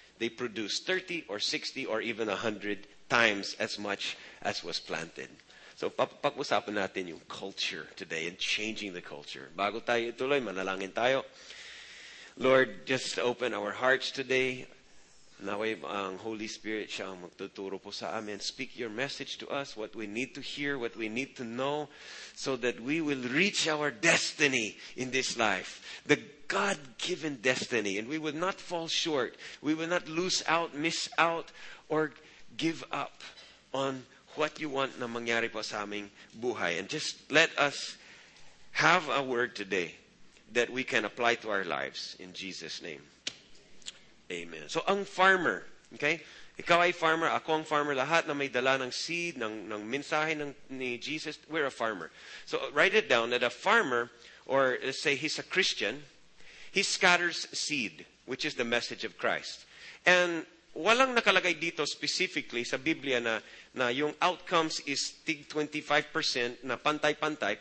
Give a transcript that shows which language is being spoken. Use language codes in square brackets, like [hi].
[en] They produce 30 or 60 or even 100 times as much as was planted. So, [tl] pag-usapan natin yung [en] culture today and changing the culture. [tl] Bago tayo ituloy, manalangin tayo. [en] Lord, just open our hearts today. [tl] Naway ang Holy Spirit siya ang magtuturo po sa amin. [en] Speak your message to us, what we need to hear, what we need to know, so that we will reach our destiny in this life. The God-given destiny. And we would not fall short. We would not lose out, miss out, or give up on what you want [tl] na mangyari po sa aming buhay. [en] And just let us have a word today that we can apply to our lives in Jesus' name. Amen. So, ang farmer, okay? [tl] Ikaw ay farmer, ako ang farmer, lahat na may dala ng seed, ng mensahe ni Jesus, [en] we're a farmer. So, write it down that a farmer, or let's say he's a Christian, he scatters seed, which is the message of Christ. [tl] And walang nakalagay dito specifically sa Biblia na yung outcomes is tig 25% na pantay-pantay.